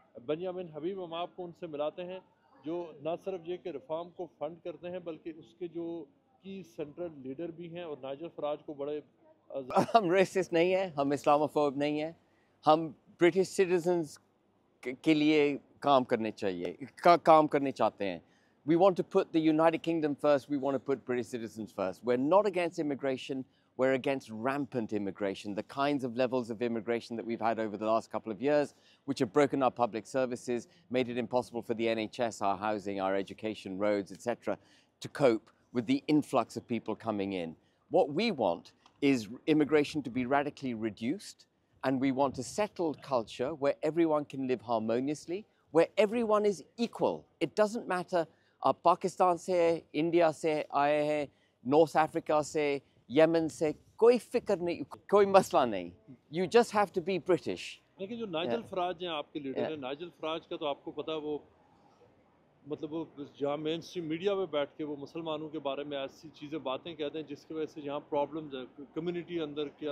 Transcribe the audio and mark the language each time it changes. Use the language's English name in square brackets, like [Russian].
[Hindi] Benjamin हबीब हम आपको उनसे मिलाते हैं जो ना सिर्फ ये कि रिफॉर्म को फंड करते हैं बल्कि उसके जो की सेंट्रल लीडर भी हैं, और नाइजल फराज को बड़े हम रेसिस नहीं हैं, हम इस्लामोफोब नहीं हैं, हम ब्रिटिश सिटीजन्स के लिए काम करने चाहिए काम करने चाहते हैं। [English] We want to put the United Kingdom first. We want to put British citizens first. We're not against immigration. We're against rampant immigration, the kinds of levels of immigration that we've had over the last couple of years, which have broken our public services, made it impossible for the NHS, our housing, our education, roads, etc., to cope with the influx of people coming in. What we want is immigration to be radically reduced, and we want a settled culture where everyone can live harmoniously, where everyone is equal. It doesn't matter. [Hindi] आप पाकिस्तान से हैं, India से आए हैं, north Africa से, Yemen से, कोई फिक्र नहीं, कोई मसला नहीं। [English] You just have to be British. [Hindi] लेकिन जो नाइजल फराज हैं आपके लीडर हैं, नाइजल फराज का तो आपको पता है वो मतलब वो जहाँ मेन स्ट्रीम मीडिया पे बैठ के वो मुसलमानों के बारे में ऐसी चीज़ें बातें कहते हैं जिसकी वजह से यहाँ प्रॉब्लम कम्यूनिटी अंदर के